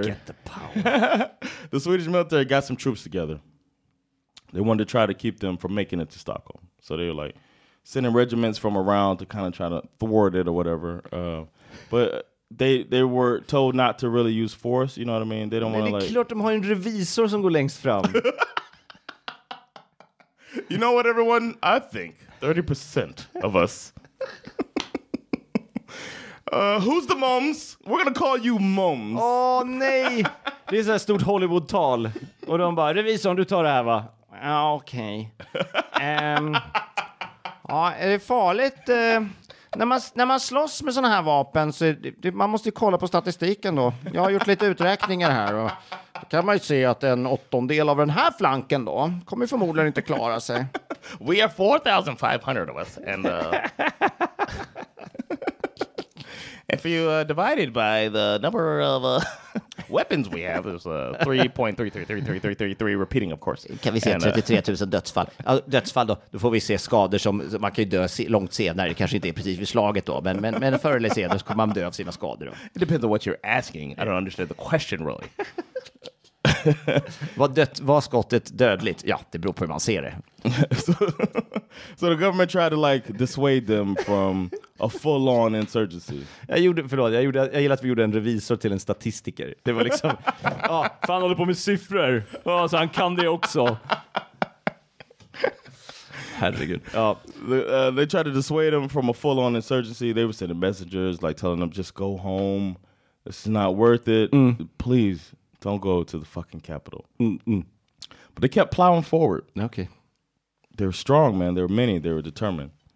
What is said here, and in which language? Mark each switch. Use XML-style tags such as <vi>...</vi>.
<en>We get the power. The Swedish military got some troops together. They wanted to try to keep them from making it to Stockholm. So they were like sending regiments from around to kind of try to thwart it or whatever. But they were told not to really use force. You know what I mean? They don't want to like.</en> <sv>Det är klart de har en revisor som går längst fram.</sv> <en>You know what, everyone? I think 30% of us. who's the moms? We're going to call you moms.</en> <sv>Åh, oh, nej. Det är så här stort Hollywood-tal. Och de bara, revisorn, du tar det här, va? Okej. Ja, är det farligt? När man slåss med såna här vapen så man måste ju kolla på statistiken då. Jag har gjort lite uträkningar här och då kan man ju se att en åttondel av den här flanken då kommer förmodligen inte klara sig.</sv> <en>We are 4,500 of us and if you divide it by the number of weapons we have, there's 3.333333 repeating, of course.</en> <sv>Kan vi se 33,000 dödsfall? Dödsfall då får vi se skador som man kan ju dö långt senare. Det kanske inte är precis vid slaget då, men förr eller senare så kommer man dö av sina skador då.</sv> <en>It depends on what you're asking. I don't understand the question really.</en> <sv>Var skottet dödligt? Ja, det beror på hur man ser det.</sv> <en>So the government tried to like dissuade them from a full-on insurgency.</en> <sv>Jag gillar att vi gjorde en revisor till en statistiker. Det var liksom, fan håller på med siffror. Så han kan det också. Herregud. Ja.</sv> <en>They tried to dissuade him from a full-on insurgency. They were sending messengers, like telling them, just go home. This is not worth it. Mm. Please, don't go to the fucking capital. Mm-mm. But they kept plowing forward. Okay. They were strong, man. There were many. They were determined.</en>